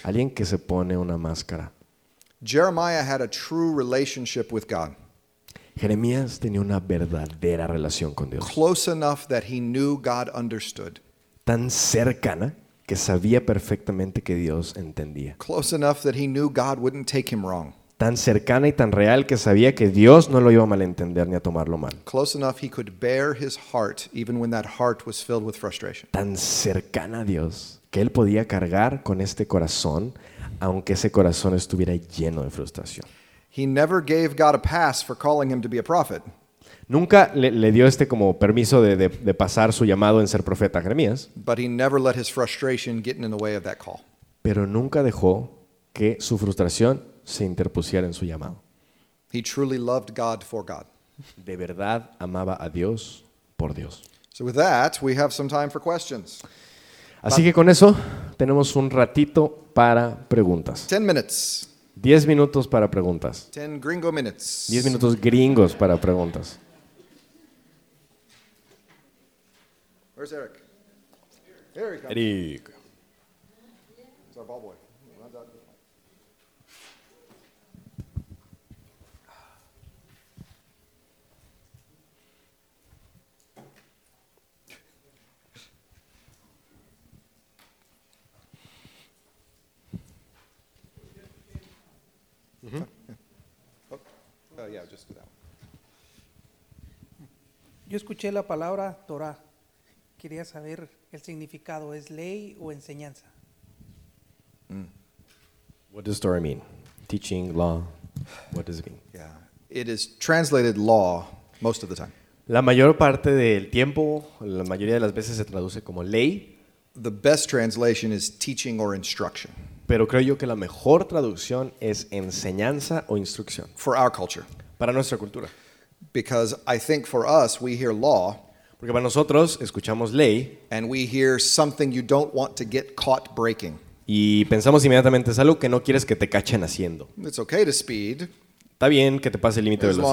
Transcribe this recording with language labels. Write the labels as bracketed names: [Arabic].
[Spanish] Alguien que se pone una máscara. [English] Jeremiah had a true relationship with God. [Spanish] Jeremías tenía una verdadera relación con Dios. [English] Close enough that he knew God understood. [Spanish] Tan cercana que sabía perfectamente que Dios entendía. [English] Close enough that he knew God wouldn't take him wrong. [Spanish] Tan cercana y tan real que sabía que Dios no lo iba a malentender ni a tomarlo mal. [English] Close enough he could bear his heart even when that heart was filled with frustration. [Spanish] Tan cercana a Dios que él podía cargar con este corazón aunque ese corazón estuviera lleno de frustración. [English] He never gave God a pass for calling him to be a prophet. [Spanish] Nunca le dio este como permiso de pasar su llamado en ser profeta Jeremías. [English] But he never let his frustration get in the way of that call. [Spanish] Pero nunca dejó que su frustración se interpusiera en su llamado. [English] He truly loved God for God. [Spanish] De verdad amaba a Dios por Dios. [English] So with that, we have some time for questions. [Spanish] Así que con eso tenemos un ratito para preguntas. 10 minutos para preguntas. 10 minutos gringos para preguntas. [English] Where's Eric? Here he comes. Eric. It's our ball boy. [Spanish] Yo escuché la palabra Torah. Quería saber el significado. ¿Es ley o enseñanza? [English] What does Torah mean? Teaching, law. What does it mean? Yeah, it is translated law most of the time. [Spanish] La mayor parte del tiempo, la mayoría de las veces se traduce como ley. [English] The best translation is teaching or instruction. [Spanish] Pero creo yo que la mejor traducción es enseñanza o instrucción. [English] For our culture. [Spanish] Para nuestra cultura. [English] Because I think for us we hear law. [Spanish] Porque para nosotros escuchamos ley. [English] And we hear something you don't want to get caught breaking. [Spanish] Y pensamos inmediatamente es algo que no quieres que te cachen haciendo. [English] It's okay to speed. [Spanish] Está bien que te pase el límite de velocidad.